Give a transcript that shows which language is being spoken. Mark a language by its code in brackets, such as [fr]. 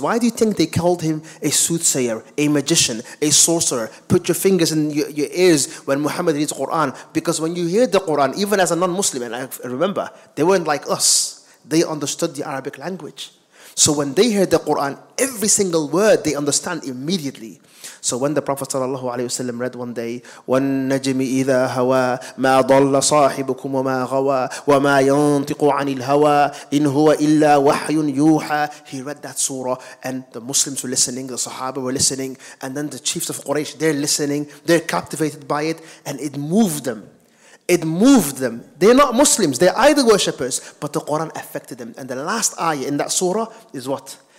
[en] Why do you think they called him a soothsayer, a magician, a sorcerer? Put your fingers in your ears when Muhammad reads Quran. Because when you hear the Quran, even as a non-Muslim, and I remember, they weren't like us. They understood the Arabic language. So when they heard the Quran, every single word they understand immediately. So when the Prophet sallallahu alaihi wasallam read one day, [ar] وَالنَّجْمِ إِذَا هَوَى مَا ضَلَّ صَاحِبُكُمْ وَمَا غَوَى وَمَا يَنطِقُ عَنِ الْهَوَى إِنْ هُوَ إِلَّا وَحْيٌ يُوحَى. [en] He read that surah, and the Muslims were listening, the Sahaba were listening, and then the chiefs of Quraysh, they're listening, they're captivated by it, and it moved them. It moved them. They're not Muslims. They're idol worshippers. But the Quran affected them. And the last ayah in that surah is what?